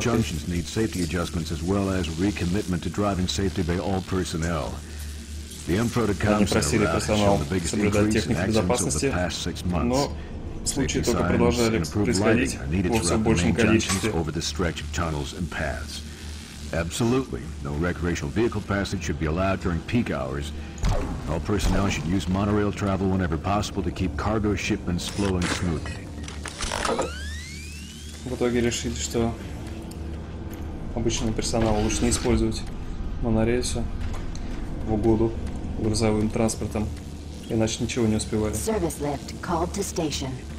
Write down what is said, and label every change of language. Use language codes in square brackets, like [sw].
[en] Junctions need safety adjustments as well as recommitment to driving safety by all personnel. [ru] The M-Protocom просили персонал соблюдать технику безопасности, но случаи только продолжали происходить во все большем количестве. [en] Absolutely. No recreational vehicle passage should be allowed during peak hours. All personnel should use monorail travel whenever possible to keep cargo shipments flowing smoothly. [ru] В итоге решили, что обычного персонала лучше не использовать монорельсу в угоду грузовым транспортом, иначе ничего не успевали. [en] Service lift called to station.